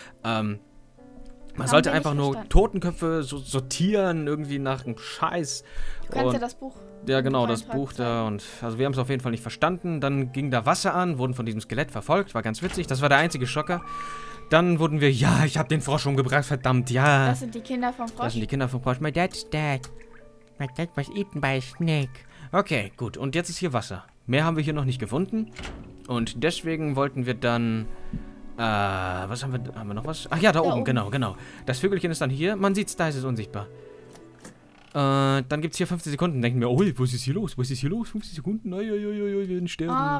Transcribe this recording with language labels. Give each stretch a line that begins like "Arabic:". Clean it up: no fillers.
German: Man sollte einfach nur Totenköpfe so sortieren, irgendwie nach einem Scheiß. Du kennst ja das Buch. Ja, genau, das Buch da. Und also wir haben es auf jeden Fall nicht verstanden. Dann ging da Wasser an, wurden von diesem Skelett verfolgt, war ganz witzig. Das war der einzige Schocker. Dann wurden wir, ja, ich habe den Frosch umgebracht, verdammt, ja. Das sind die Kinder vom Frosch. Das sind die Kinder vom Frosch.
English: My dad's dead. My dad was eaten by a snake.
German: Okay, gut. Und jetzt ist hier Wasser. Mehr haben wir hier noch nicht gefunden. Und deswegen wollten wir dann, was haben wir, noch was? Ach ja, da oben, genau, genau. Das Vögelchen ist dann hier. Man sieht's, da ist es unsichtbar. Dann gibt's hier 15 Sekunden. Denken wir, oh, was ist hier los? Was ist hier los? 15 Sekunden? Oi, wir werden sterben.